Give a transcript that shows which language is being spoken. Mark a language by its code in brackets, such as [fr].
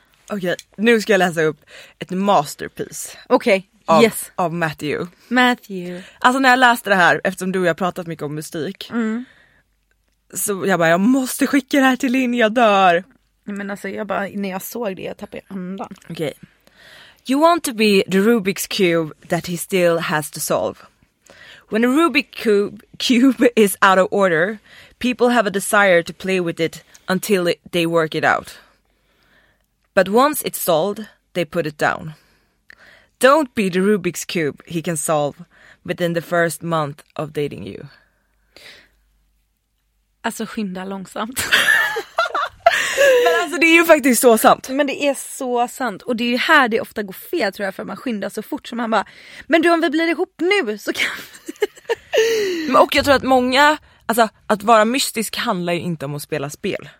[sv] Okej, nu ska jag läsa upp ett masterpiece. Okej, okay. Yes. Av Matthew. Matthew. Alltså när jag läste det här, eftersom du och jag pratat mycket om mystik. Mm. Så jag bara, jag måste skicka det här till Lin, jag dör. Men alltså, jag bara, när jag såg det, jag tappade andan. Okej. Okay. [en] You want to be the Rubik's Cube that he still has to solve. When a Rubik's Cube is out of order, people have a desire to play with it until they work it out. But once it's solved, they put it down. Don't be the Rubik's Cube he can solve within the first month of dating you. [sv] Alltså, skynda långsamt. Men alltså det är ju faktiskt så sant. Men det är så sant. Och det är ju här det ofta går fel, tror jag. För man skyndar så fort som man bara, men du, om vi blir ihop nu så kan vi. Och jag tror att många, Alltså, att vara mystisk handlar ju inte om att spela spel.